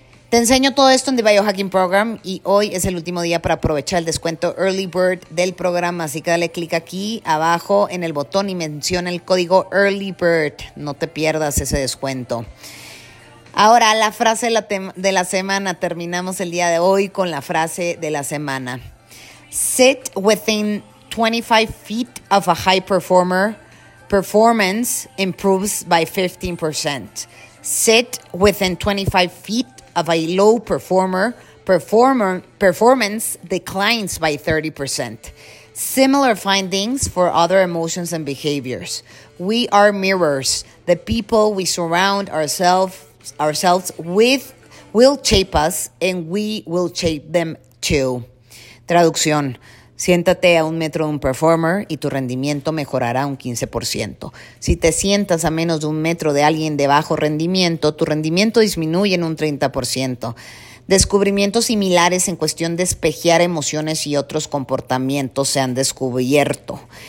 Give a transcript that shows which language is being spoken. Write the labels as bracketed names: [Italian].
[Spanish] Te enseño todo esto en The Biohacking Program y hoy es el último día para aprovechar el descuento Early Bird del programa. Así que dale clic aquí abajo en el botón y menciona el código Early Bird. No te pierdas ese descuento. Ahora, la frase de la semana. Terminamos el día de hoy con la frase de la semana. [English] Sit within 25 feet of a high performer. Performance improves by 15%. Sit within 25 feet of a low performer, performance declines by 30%. Similar findings for other emotions and behaviors. We are mirrors. The people we surround ourselves with will shape us, and we will shape them too. [Spanish] Traducción. Siéntate a un metro de un performer y tu rendimiento mejorará un 15%. Si te sientas a menos de un metro de alguien de bajo rendimiento, tu rendimiento disminuye en un 30%. Descubrimientos similares en cuestión de espejear emociones y otros comportamientos se han descubierto.